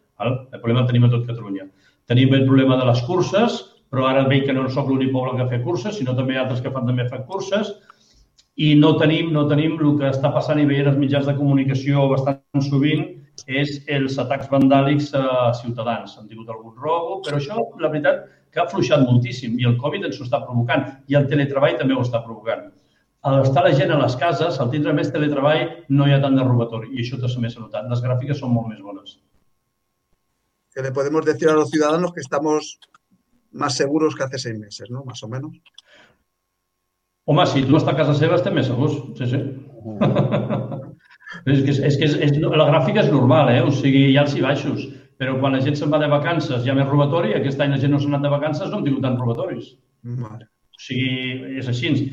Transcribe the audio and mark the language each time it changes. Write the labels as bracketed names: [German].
[Catalan] El problema el tenim a tot Catalunya. Tenim el problema de les curses, però ara veig que no sóc l'únic poble que fa curses, sinó també altres que fan també fer curses, i no tenim el que està passant i veient els mitjans de comunicació bastant sovint, és els atacs vandàlics a ciutadans. Han tingut algun robo, però això, la veritat, que ha afluixat moltíssim i el Covid ens ho està provocant i el teletreball també ho està provocant. Al estar la gent a les cases, al tindre més teletreball, no hi ha tant de robatori i això també s'ha notat. Les gràfiques són molt més bones. [Spanish] Que le podemos decir a los ciudadanos que estamos más seguros que hace 6 meses, ¿no? Más o menos. [Catalan] Home, si tu vas a casa seva, estem més segurs. Sí, sí. és que la gràfica és normal, eh? O sigui, hi ha els i baixos. Però quan la gent se'n va de vacances, hi ha més robatori. Aquest any la gent no s'ha anat de vacances, no hem tingut tants robatoris. Vale. O sigui, és així.